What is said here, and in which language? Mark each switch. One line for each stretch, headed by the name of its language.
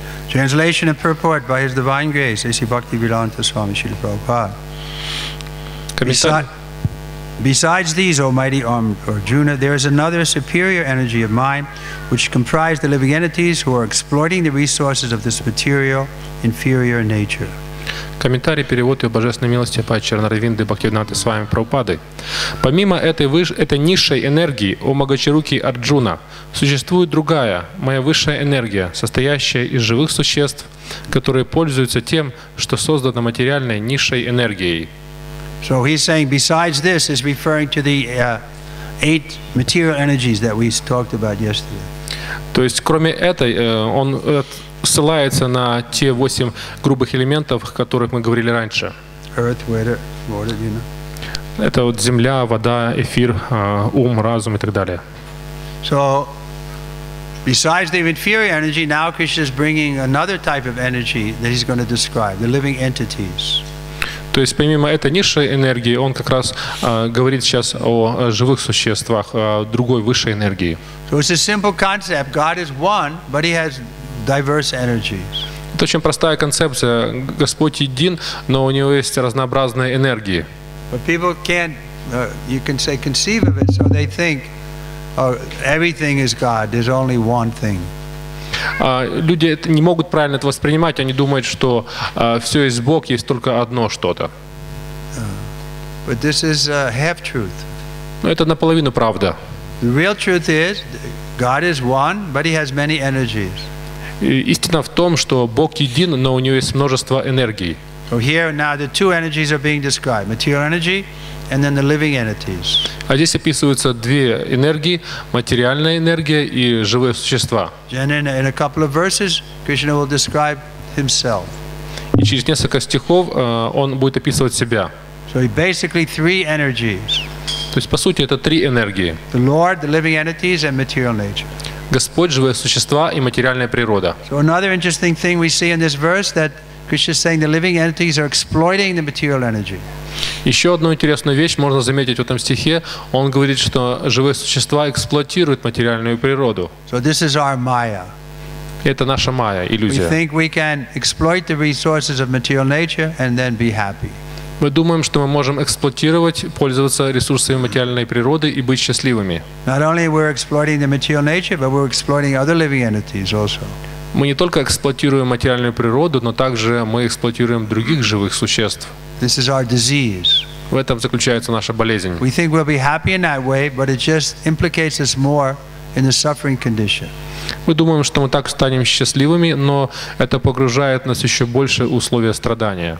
English: Translation and purport by His Divine Grace, A.C. Bhaktivedanta Swami Srila Prabhupada. Besides these, O mighty Arjuna, there is another superior energy of mind which comprises the living entities who are exploiting the resources of this material, inferior nature.
Russian: Комментарий, перевод его божественной милости Пачарна Равинды Бхактивинанты с вами Прабхупады. Помимо этой низшей энергии, о могочеруки Арджуна, существует другая, моя высшая энергия, состоящая из живых существ, которые пользуются тем, что создано материальной низшей энергией.
English: So he's saying, besides this, is referring to the eight material energies that we talked about yesterday.
Russian: То есть, кроме этой, он ссылается на те восемь грубых элементов, о которых мы говорили раньше.
English: Earth, weather, water, you know.
Russian: Это вот земля, вода, эфир, ум, разум и так далее.
English: So, besides the inferior energy, now Krishna is bringing another type of energy that he's going to describe, the living entities.
Russian: То есть, помимо этой низшей энергии, он как раз говорит сейчас о живых существах, о другой высшей энергии.
English: So it's a simple concept. God is one, but he has diverse energies.
Russian: Это очень простая концепция. Господь един, но у него есть разнообразные энергии.
English: But people can't, you can say, conceive of it, so they think everything is God, there's only one thing.
Russian: Люди это не могут правильно это воспринимать, они думают, что все есть Бог, есть только одно что-то.
English: But this is half truth.
Russian: Но это наполовину правда.
English: The real truth is, God is one, but he has many energies.
Russian: Истина в том, что Бог един, но у него есть множество энергий.
English: So here now the two energies are being described, material energy and then the living entities.
Russian: А здесь описываются две энергии, материальная энергия и живые существа.
English: And in a couple of verses, Krishna will describe himself.
Russian: И через несколько стихов он будет описывать себя.
English: So basically three energies.
Russian: То есть по сути это три энергии.
English: The Lord, the living entities and material nature.
Russian: Господь, живые существа и материальная природа.
English: So another interesting thing we see in this verse that Krishna is saying the living entities are exploiting the material energy.
Russian: Еще одну интересную вещь можно заметить в этом стихе. Он говорит, что живые существа эксплуатируют материальную природу.
English: So this is our Maya.
Russian: Это наша Maya, иллюзия.
English: We think we can exploit the resources of material nature and then be happy.
Russian: Мы думаем, что мы можем эксплуатировать, пользоваться ресурсами материальной природы и быть счастливыми.
English: Not only we're exploiting the material nature, but we're exploiting other living entities also.
Russian: Мы не только эксплуатируем материальную природу, но также мы эксплуатируем других живых существ.
English: This is our disease.
Russian: В этом заключается наша болезнь.
English: We think we'll be happy in that way, but it just implicates us more in the suffering condition.
Russian: Мы думаем, что мы так станем счастливыми, но это погружает нас еще больше в условия страдания.